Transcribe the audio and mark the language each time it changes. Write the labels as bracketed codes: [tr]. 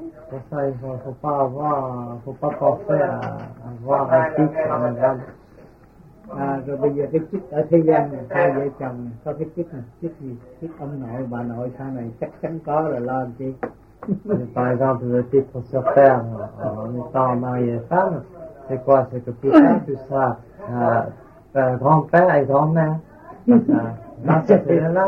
[fr] Pour ça, il ne faut pas avoir, il ne faut pas penser à avoir un titre en général. [vi] Rồi bây giờ cái chức ở thế gian này, hai vợ chồng này, có cái chức này, chức gì, chức ông nội, bà nội sau này chắc chắn có rồi lo làm chi. [fr] Par exemple, le titre sur terre en étant marié et femme, c'est quoi? C'est que plus tard, tu seras grand-père et grand-mère. C'est évident.